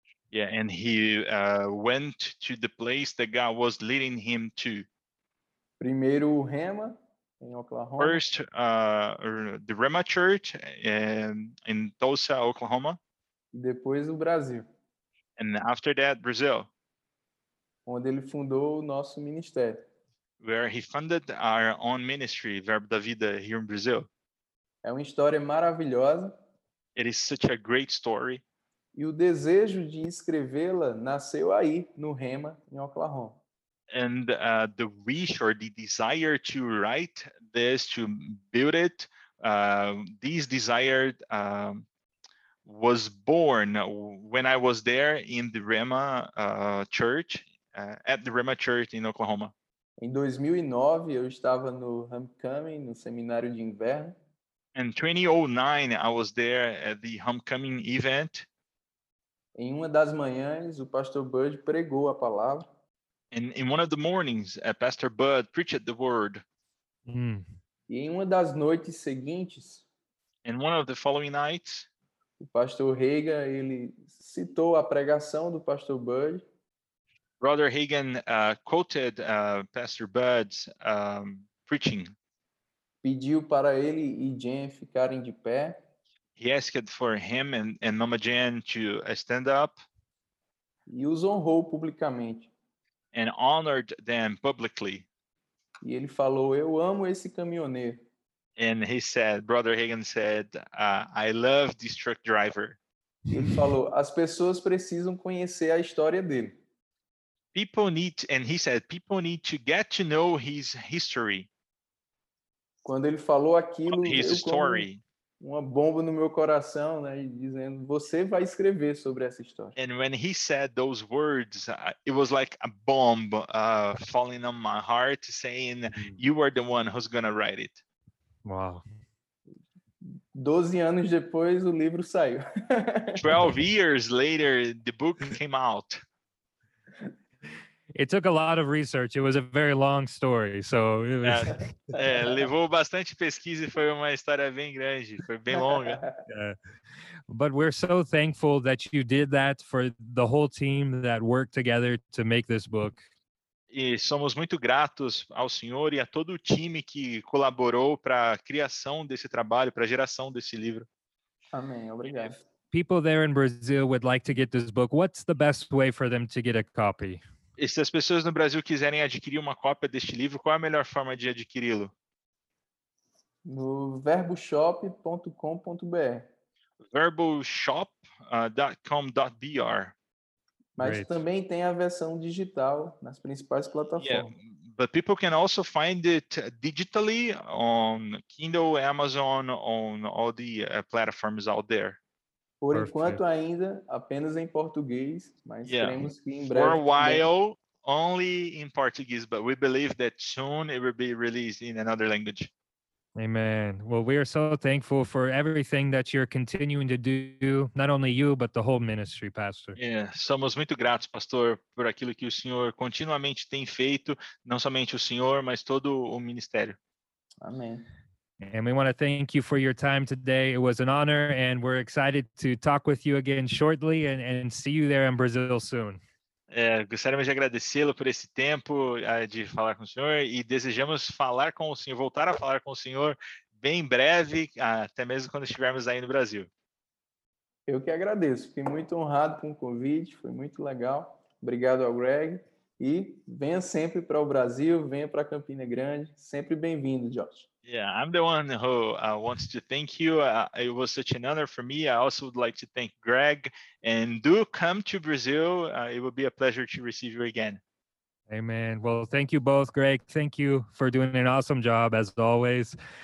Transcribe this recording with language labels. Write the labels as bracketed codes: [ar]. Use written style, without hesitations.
[en] Yeah, and he went to the place that God was leading him to. [pt] Primeiro o Rema, em Oklahoma. [en] First, the Rema Church in Tulsa, Oklahoma. [pt] E depois o Brasil. [en] And after that, Brazil. [pt] Onde ele fundou o nosso ministério. [en] Where he funded our own ministry, Verbo da Vida, here in Brazil. [pt] É uma história maravilhosa. [en] It is such a great story. [pt] E o desejo de escrevê-la nasceu aí, no Rema, em Oklahoma. [en] And the wish or the desire to write this, to build it, this desire was born when I was there in the Rema Church, at the Rema Church in Oklahoma. [pt] Em 2009, eu estava no Homecoming, no Seminário de Inverno. [en] In 2009, I was there at the Homecoming event. [pt] Em uma das manhãs, o Pastor Bud pregou a palavra. [en] In one of the mornings, Pastor Bud preached the word. [pt] E em uma das noites seguintes, [en] in one of the following nights, [pt] o Pastor Reagan, ele citou a pregação do Pastor Bud. [en] Brother Reagan quoted Pastor Bud's preaching. [pt] Pediu para ele e Jen ficarem de pé. [en] He asked for him and Mama Jen to stand up. [pt] E os honrou publicamente. [en] And honored them publicly. [pt] E ele falou, eu amo esse caminhoneiro. [en] And he said, Brother Reagan said, I love this truck driver. [pt] Ele falou, as pessoas precisam conhecer a história dele. [en] People need, and he said, people need to get to know his history. [pt] Quando ele falou aquilo, [en] his story. [pt] Uma bomba no meu coração, né, dizendo, você vai escrever sobre essa história. [en] And when he said those words, it was like a bomb falling on my heart, saying, you are the one who's going to write it. Wow. [pt] 12 anos depois, o livro saiu. [en] 12 years later, the book came out. It took a lot of research. It was a very long story, so it was. [pt] Levou bastante pesquisa e foi uma história bem grande, foi bem longa. [en] But we're so thankful that you did that for the whole team that worked together to make this book. [pt] E somos muito gratos ao senhor e a todo o time que colaborou para a criação desse trabalho, para a geração desse livro. Amém. Obrigado. [en] People there in Brazil would like to get this book. What's the best way for them to get a copy? [pt] E se as pessoas no Brasil quiserem adquirir uma cópia deste livro, qual é a melhor forma de adquiri-lo? No verboshop.com.br. Verboshop.com.br. Mas [en] great. [pt] Também tem a versão digital nas principais plataformas. [en] Yeah. But people can also find it digitally on Kindle, Amazon, on all the platforms out there. [pt] Por [en] perfect. [pt] Enquanto ainda, apenas em português, mas queremos que em breve... [en] For a while, only in Portuguese, but we believe that soon it will be released in another language. Amen. Well, we are so thankful for everything that you're continuing to do, not only you, but the whole ministry, Pastor. [pt] Yeah, somos muito gratos, Pastor, por aquilo que o Senhor continuamente tem feito, não somente o Senhor, mas todo o ministério. Amém. [en] And we want to thank you for your time today. It was an honor, and we're excited to talk with you again shortly and see you there in Brazil soon. [pt] Gostaríamos de agradecê-lo por esse tempo de falar com o senhor e desejamos falar com o senhor, voltar a falar com o senhor bem breve, até mesmo quando estivermos aí no Brasil. Eu que agradeço. Fiquei muito honrado com o convite. Foi muito legal. Obrigado ao Greg. E venha sempre para o Brasil, venha para Campina Grande. Sempre bem-vindo, Josh. [en] Yeah, I'm the one who wants to thank you. It was such an honor for me. I also would like to thank Greg. And do come to Brazil. It will be a pleasure to receive you again. Amen. Well, thank you both, Greg. Thank you for doing an awesome job, as always.